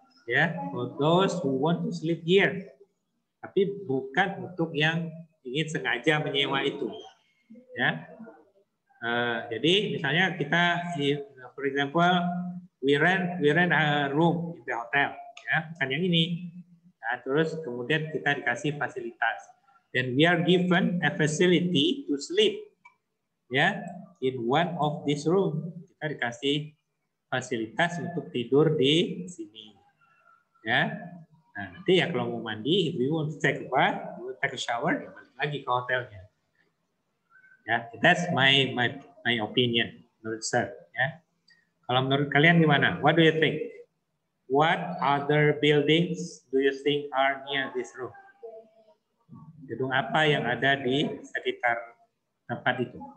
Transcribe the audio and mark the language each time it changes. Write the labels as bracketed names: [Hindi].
[English] Yeah, for those who want to sleep here. [Indonesian] Tapi bukan untuk yang ingin sengaja menyewa itu. Yeah. Jadi misalnya kita, [English] for example, we rent a room in the hotel. [Indonesian] Yeah, bukan yang ini. Nah, terus kemudian kita dikasih fasilitas. [English] Then we are given a facility to sleep. Yeah, in one of this room. [Indonesian] Kita dikasih fasilitas untuk tidur di sini. Ya, nah, nanti ya kalau mau mandi, [English] if you want to take a bath, you want to take a shower, [Indonesian] ya balik lagi ke hotelnya. Ya, [English] that's my opinion, [Indonesian] menurut saya. Ya, kalau menurut kalian gimana? [English] What do you think? What other buildings do you think are near this room? [Indonesian] Gedung apa yang ada di sekitar tempat itu?